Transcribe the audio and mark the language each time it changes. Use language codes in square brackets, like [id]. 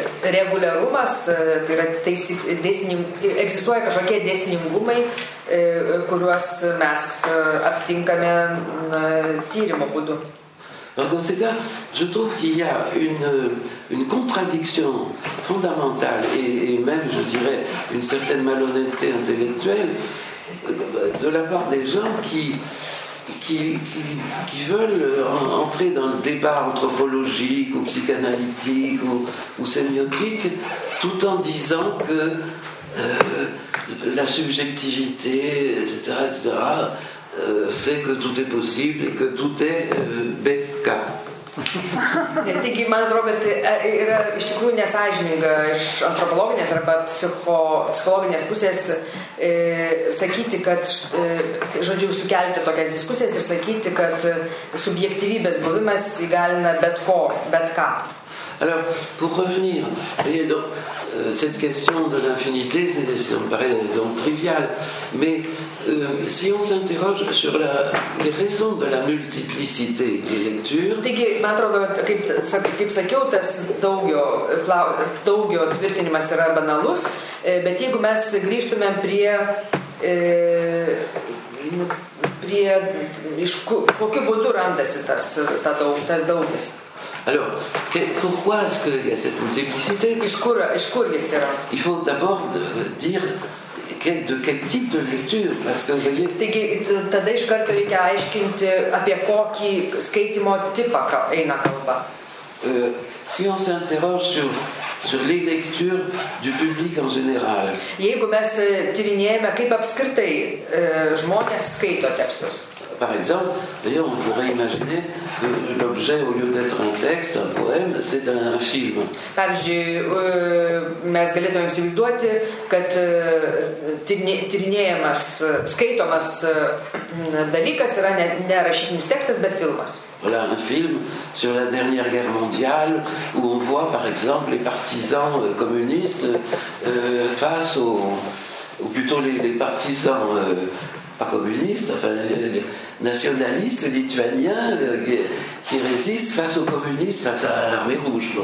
[lt] reguliarumas, tai yra egzistuoja kažkokie dėsningumai, kuriuos mes aptinkame tyrimo būdu. [fr] En conséquence, je trouve qu'il y a une contradiction fondamentale et même, je dirais, une certaine malhonnêteté intellectuelle de la part des gens qui veulent entrer dans le débat anthropologique ou psychanalytique ou sémiotique tout en disant que la subjectivité, etc., etc., fait que tout est possible et que tout est bête. [lt] Taigi, man atrodo, kad yra iš tikrųjų nesąžininga iš antropologinės arba psichologinės pusės sakyti, kad žodžiu, sukelti tokias diskusijas ir sakyti, kad subjektyvybės buvimas įgalina bet ko, bet ką. [fr] Alors, pour revenir, voyez, donc, cette question de l'infinité, c'est, on paraît donc trivial, mais si on s'interroge sur les raisons de la multiplicité des lectures... [lt] Taigi, man atrodo, kaip sakiau, tas daugio tvirtinimas yra banalus, bet jeigu mes grįžtumėm prie iš kokiu būdu randasi tas daugis. [fr] Alors, pourquoi est-ce qu'il y a cette multiplicité? [lt] Iš kur jis yra? [fr] Il faut d'abord dire de quel type de lecture, parce que vous voyez... [lt] Taigi, tada iš karto reikia aiškinti, apie kokį skaitimo tipą eina kalba. [fr] Si on s'interroge sur sur les lectures du public en général. [lt] Jeigu mes tyrinėjame, kaip apskritai žmonės skaito tekstus. [fr] Par exemple, on pourrait imaginer que l'objet, au lieu d'être un texte, un poème, c'est un film. [lt] Pavyzdžiui, mes galėtume įsivaizduoti, kad tyrinėjamas, skaitomas dalykas yra ne rašytinis tekstas, bet filmas. [fr] Voilà, un film sur la dernière guerre mondiale où on voit, par exemple, les partisans communistes face aux... ou plutôt les partisans... pas communistes, enfin les nationalistes lituaniens qui résistent face aux communistes, face à l'armée rouge.